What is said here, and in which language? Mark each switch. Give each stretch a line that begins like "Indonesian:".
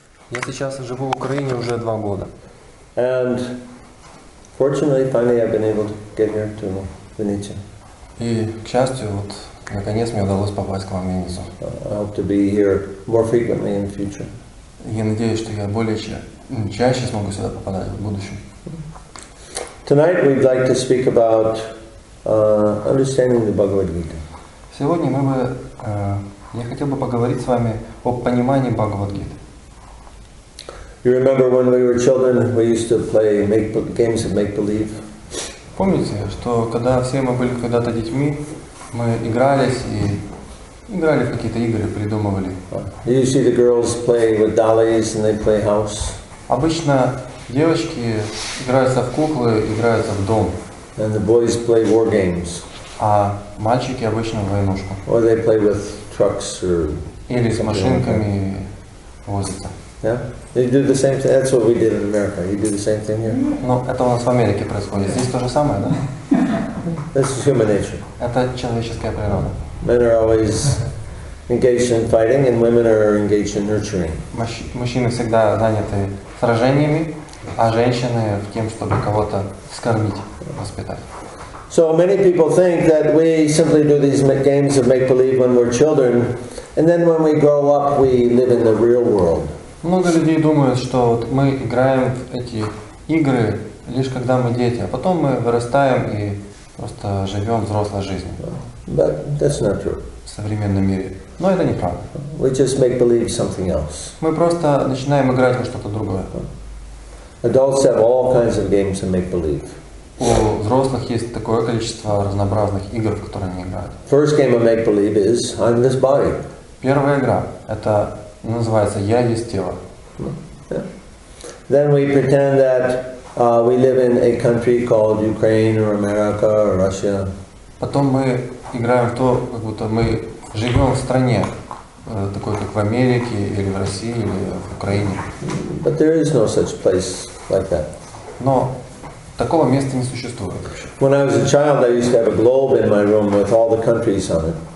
Russian: Я сейчас живу в Украине уже 2 года.
English: And fortunately, finally, I've been able to get here to Vinnytsia.
Russian: И, к счастью, вот, наконец мне удалось попасть к вам в Винницу.
English: I hope to be here more frequently in the future.
Russian: Я надеюсь, что я более чаще смогу сюда попадать в будущем.
English: Tonight we'd like to speak about understanding the Bhagavad Gita.
Russian: Сегодня мы бы, я хотел бы поговорить с вами о понимании Бхагавад Гиты.
English: You remember when we were children, we used to play games of make-believe.
Russian: Помните, что когда все мы были когда-то детьми, мы игрались и играли в какие-то игры, придумывали.
English: You see the girls play with dollies and they play house.
Russian: Обычно девочки играются в куклы, играются в дом.
English: And the boys play war games.
Russian: А мальчики обычно в войнушку.
English: Or they play with trucks or.
Russian: Или с машинками возятся.
English: Yeah, you do the same thing. That's what we did in America. You do the same thing here.
Russian: Ну, это у нас в Америке происходит. Здесь то же самое, да?
English: This is human nature.
Russian: Это человеческая природа.
English: Men are always engaged in fighting, and women are engaged in nurturing.
Russian: Мужчины всегда заняты сражениями, а женщины в тем, чтобы кого-то скормить, воспитать.
English: So many people think that we simply do these games of make-believe when we're children, and then when we grow up, we live in the real world.
Russian: Много людей думают, что вот мы играем в эти игры лишь когда мы дети, а потом мы вырастаем и просто живем взрослой жизнью.
English: But that's not true.
Russian: В современном мире. Но это неправда.
English: We just make believe something else.
Russian: Мы просто начинаем играть во что-то другое.
English: Adults have all kinds of games of make believe.
Russian: У взрослых есть такое количество разнообразных игр, в которые они играют.
English: First game of make believe is I'm this body.
Russian: Первая игра это называется «Я есть тело». Yeah.
English: Then we pretend that we live in a country called Ukraine or America or Russia.
Russian: Потом мы играем в то, как будто мы живем в стране, такой как в Америке или в России или в Украине.
English: But there is no such place like that.
Russian: Но такого места не существует.
English: When I was a child, I used to have a globe in my room with all the countries on it.